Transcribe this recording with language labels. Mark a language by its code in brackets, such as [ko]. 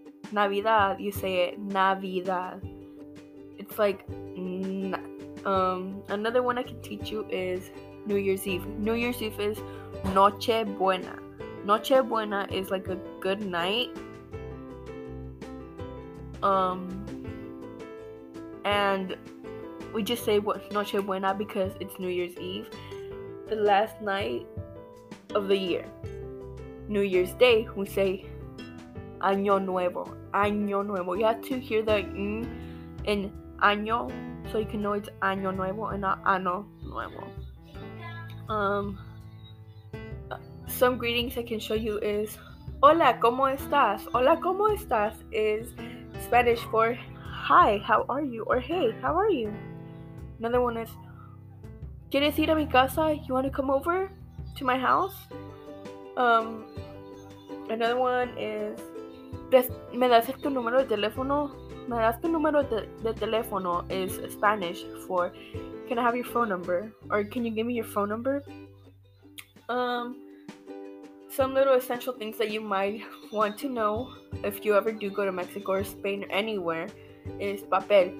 [en] Navidad, you say it, Navidad. It's like, another one I can teach you is New Year's Eve. New Year's Eve is [es] Noche Buena. Noche Buena [en] is like a good night. And we just say [es] Noche Buena [en] because it's New Year's Eve, the last night of the year. New Year's Day, we say [es] Año Nuevo. Año Nuevo. [en] You have to hear the N in Año so you can know it's [es] Año Nuevo [en] and not [es] Ano Nuevo. [en] Some greetings I can show you is [es] Hola, ¿cómo estás? Hola, ¿cómo estás? [en] Is Spanish for Hi, how are you? Or Hey, how are you? Another one is [es] ¿Quieres ir a mi casa? [en] You want to come over to my house? Another one is [es] ¿Me das tu número de teléfono? ¿Me das tu número de teléfono? [en] Is Spanish for Can I have your phone number? Or can you give me your phone number? Some little essential things that you might want to know if you ever do go to Mexico or Spain or anywhere is papel.